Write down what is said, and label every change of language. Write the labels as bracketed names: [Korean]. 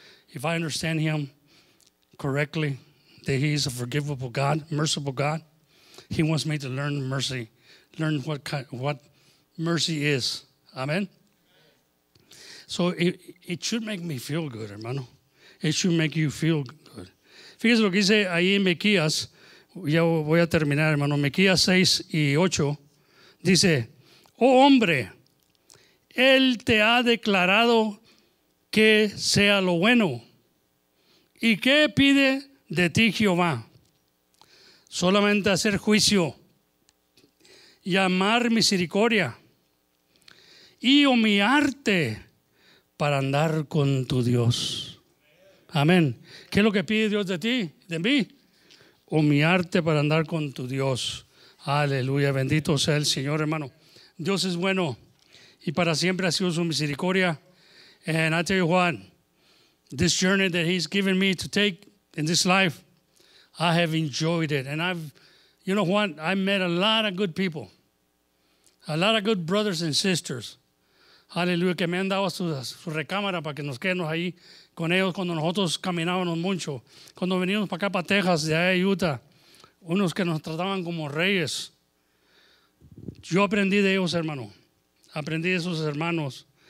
[English] If I understand him correctly, that he is a forgivable God, merciful God, he wants me to learn mercy, learn what mercy is. Amen? So it should make me feel good, hermano. It should make you feel good. [Spanish] Fíjese lo que dice ahí en Miqueas. Ya voy a terminar, hermano. Miqueas 6 y 8 dice, oh hombre, él te ha declarado que sea lo bueno. ¿Y qué pide de ti Jehová? Solamente hacer juicio y amar misericordia y humillarte para andar con tu Dios. Amén. ¿Qué es lo que pide Dios de ti, de mí? Humillarte para andar con tu Dios. Aleluya, bendito sea el Señor, hermano. Dios es bueno y para siempre ha sido su misericordia. [English] And I tell you what, this journey that he's given me to take in this life, I have enjoyed it. And I've, you know what, I met a lot of good people, a lot of good brothers and sisters. [Spanish] Aleluya, que me han dado su recámara para que nos quedemos ahí con ellos cuando nosotros caminábamos mucho. Cuando venimos para acá, para Texas, de allá de Utah, unos que nos trataban como reyes. Yo aprendí de ellos, hermano. Aprendí de esos hermanos.